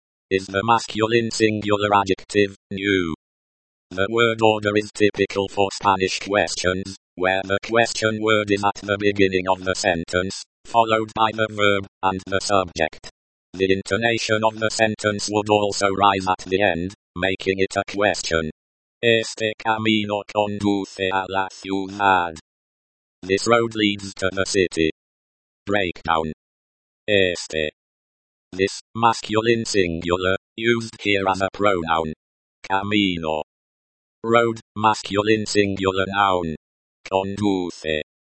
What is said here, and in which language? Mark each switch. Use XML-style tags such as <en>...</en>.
<en>Is the masculine singular adjective, new. The word order is typical for Spanish questions, where the question word is at the beginning of the sentence, followed by the verb, and the subject. The intonation of the sentence would also rise at the end, making it a question.</en> <es>Este camino conduce a la ciudad.</es> <en>This road leads to the city. Breakdown. Este. This, masculine singular, used here as a pronoun. Camino. Road, masculine singular noun. Conduce.</en>